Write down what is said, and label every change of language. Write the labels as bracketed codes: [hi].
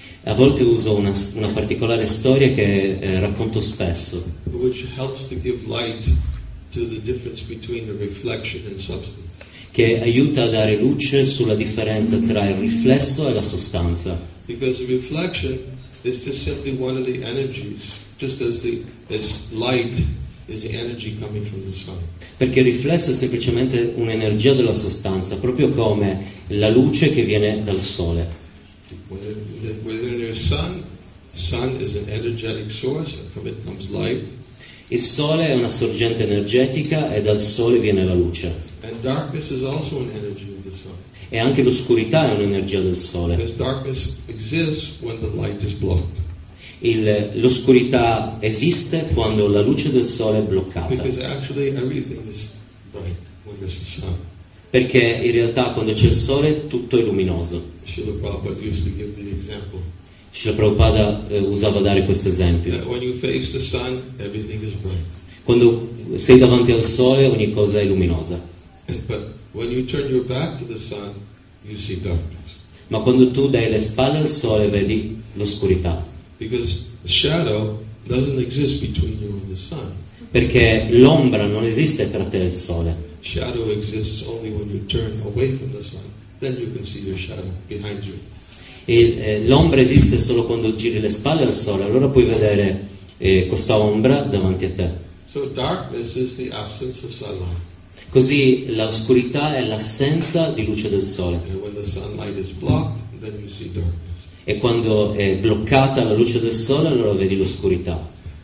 [it] A volte uso una particolare storia che racconto spesso. [en] Which helps to give light to the difference between the reflection and substance. [it] Che aiuta a dare luce sulla differenza tra il riflesso e la sostanza. [en] Because the reflection is just simply one of the energies Just as the as light is energy coming from the sun. [it] Perché il riflesso è semplicemente un'energia della sostanza, proprio come la luce che viene dal sole. [en] Within your sun, sun is an energetic source, and from it comes light. [it] Il sole è una sorgente energetica e dal sole viene la luce. [en] And darkness is also an energy of the sun. [it] E anche l'oscurità è un'energia del sole. [en] Because darkness exists when the light is blocked. [it] L'oscurità esiste quando la luce del sole è bloccata. [en] Because actually everything is bright when there's the sun. [it] Perché in realtà quando c'è il sole tutto è luminoso. [en] Srila Prabhupada used to give the example. [it] Srila Prabhupada usava dare questo esempio. [en] When you face the sun, everything is bright. [it] Quando sei davanti al sole ogni cosa è luminosa. [en] But when you turn your back to the sun, you see darkness. [it] Ma quando tu dai le spalle al sole vedi l'oscurità. [en] Because the shadow doesn't exist between you and the sun. [it] Perché l'ombra non esiste tra te e il sole. [en] Shadow exists only when you turn away from the sun. Then you can see your shadow behind you. [it] L'ombra esiste solo quando giri le spalle al sole. Allora puoi vedere questa ombra davanti a te. [en] So darkness is the absence of sunlight. [it] Così l'oscurità è l'assenza di luce del sole. [en] And when the sunlight is blocked, then you see darkness. [it] E quando è bloccata la luce del sole, allora vedi l'oscurità.